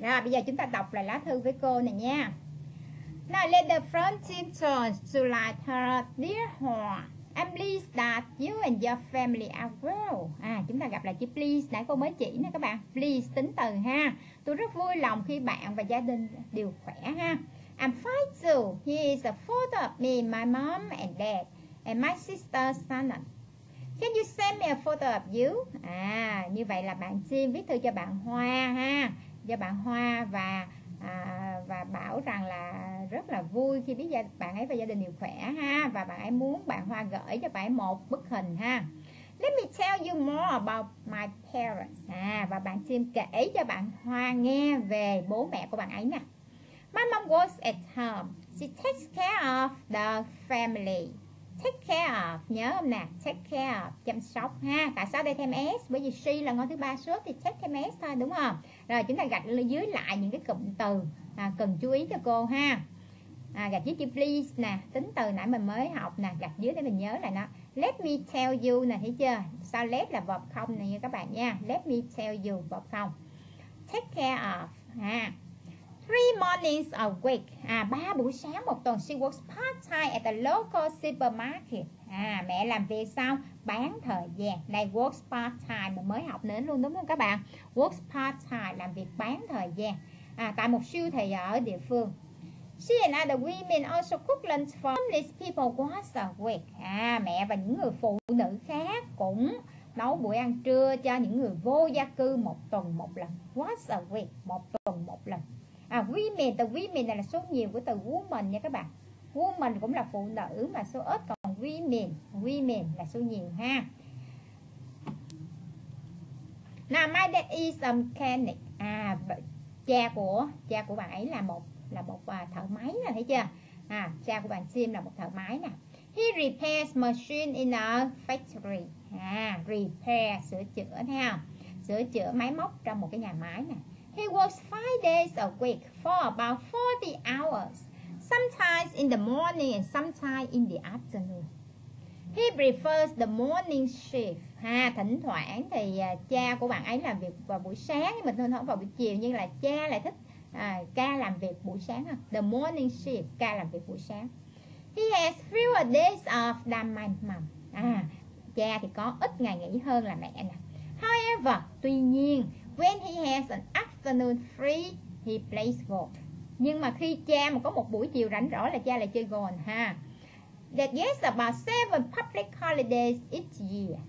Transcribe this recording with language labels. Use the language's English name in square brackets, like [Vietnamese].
[Vietnamese] Rồi bây giờ chúng ta đọc lại lá thư với cô này nha. [English] Now letter from Tim Jones to Lighter. Dear Hoa, I'm pleased that you and your family are well. [Vietnamese] À, chúng ta gặp lại chữ please nãy cô mới chỉ nè các bạn. Please tính từ ha. Tôi rất vui lòng khi bạn và gia đình đều khỏe ha. [English] I'm fine too. Here is a photo of me, my mom and dad, and my sister Shannon. Can you send me a photo of you? [Vietnamese] À, như vậy là bạn Tim viết thư cho bạn Hoa ha, cho bạn Hoa và bảo rằng là rất là vui khi biết bạn ấy và gia đình đều khỏe ha, và bạn ấy muốn bạn Hoa gửi cho bạn ấy một bức hình ha. [English] Let me tell you more about my parents. [Vietnamese] À, và bạn Tim kể cho bạn Hoa nghe về bố mẹ của bạn ấy nè. [English] My mom works at home. She takes care of the family. [Vietnamese] Take care of, nhớ không nè, [English] take care of, [Vietnamese] chăm sóc ha. Tại sao đây thêm s? Bởi vì she là ngôi thứ ba số thì take thêm s thôi, đúng không? Rồi chúng ta gạch dưới lại những cái cụm từ cần chú ý cho cô ha. Gạch dưới chữ please nè, tính từ nãy mình mới học nè, gạch dưới để mình nhớ lại nó. [English] Let me tell you [Vietnamese] nè, thấy chưa? Sao let là verb không nè các bạn nha. [English] Let me tell you, [Vietnamese] verb không. [English] Take care of ha. 3 mornings a week. [Vietnamese] À, 3 buổi sáng một tuần. [English] She works part-time at the local supermarket. [Vietnamese] À, mẹ làm việc xong bán thời gian. Này [English] works part-time, [Vietnamese] mình mới học đến luôn đúng không các bạn? [English] Works part-time, [Vietnamese] làm việc bán thời gian. À, tại một siêu thị ở địa phương. [English] She and other women also cook lunch for homeless people once a week. [Vietnamese] À, mẹ và những người phụ nữ khác cũng nấu buổi ăn trưa cho những người vô gia cư một tuần một lần. [English] Once a week, [Vietnamese] một tuần một lần. À, women, từ women này là số nhiều của từ woman nha các bạn. Woman cũng là phụ nữ mà số ít, còn women, women là số nhiều ha. [English] Now my dad is a mechanic. [Vietnamese] À, cha của bạn ấy là một thợ máy nè, thấy chưa? À, cha của bạn Sim là một thợ máy nè. [English] He repairs machine in a factory. [Vietnamese] À, repair, sửa chữa nha. Sửa chữa máy móc trong một cái nhà máy nè. [English] He works 5 days a week for about 40 hours, sometimes in the morning and sometimes in the afternoon. He prefers the morning shift. [Vietnamese] Ha, thỉnh thoảng thì cha của bạn ấy làm việc vào buổi sáng, mình thỉnh thoảng vào buổi chiều, nhưng là cha lại thích ca làm việc buổi sáng. Ha. [English] The morning shift, [Vietnamese] ca làm việc buổi sáng. [English] He has fewer days off than my mom. [Vietnamese] À, cha thì có ít ngày nghỉ hơn là mẹ nè. [English] However, [Vietnamese] tuy nhiên, [English] when he has an afternoon free, he plays golf. [Vietnamese] Nhưng mà khi cha mà có một buổi chiều rảnh rỗi là cha lại chơi golf ha. [English] That gets about 7 public holidays each year.